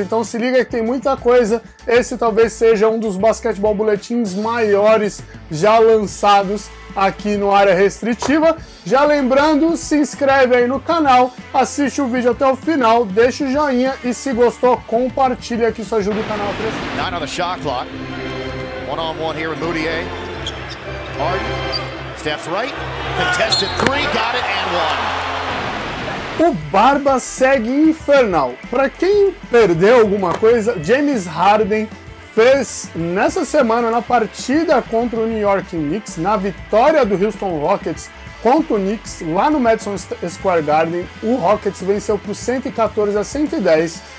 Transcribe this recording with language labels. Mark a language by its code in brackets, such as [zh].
[pt] Então se liga que tem muita coisa, esse talvez seja um dos basquetebol boletins maiores já lançados aqui no Área Restritiva. Já lembrando, se inscreve aí no canal, assiste o vídeo até o final, deixa o joinha e se gostou, compartilha, que isso ajuda o canal a crescer. [en] 9 on the shot clock, one-on-one here with Moutier. Harden. Steph right, contested three, got it, and one. [pt] O Barba segue infernal. Para quem perdeu alguma coisa, James Harden fez nessa semana, na partida contra o New York Knicks, na vitória do Houston Rockets contra o Knicks, lá no Madison Square Garden, o Rockets venceu por 114 a 110.